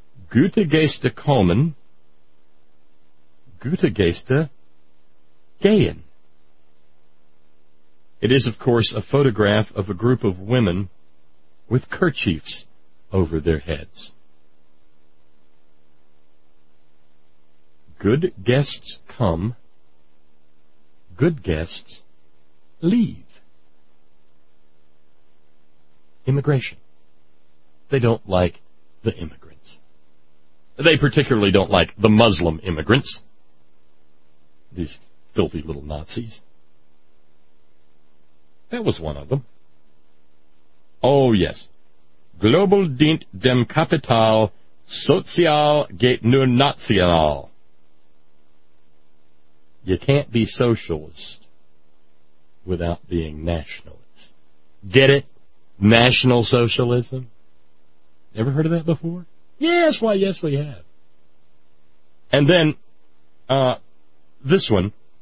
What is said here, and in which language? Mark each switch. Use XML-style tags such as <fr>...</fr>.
<de>Gute Geste kommen, Gute Geste gehen.</de> <en>It is, of course, a photograph of a group of women with kerchiefs over their heads. Good guests come, good guests leave. Immigration. They don't like the immigrants. They particularly don't like the Muslim immigrants. These filthy little Nazis. That was one of them. Oh, yes.</en> <de>Global dient dem Kapital, sozial geht nur national.</de> <en>You can't be socialist without being nationalist. Get it? National socialism? Ever heard of that before? Yes, why, yes, we have. And then, this one.</en>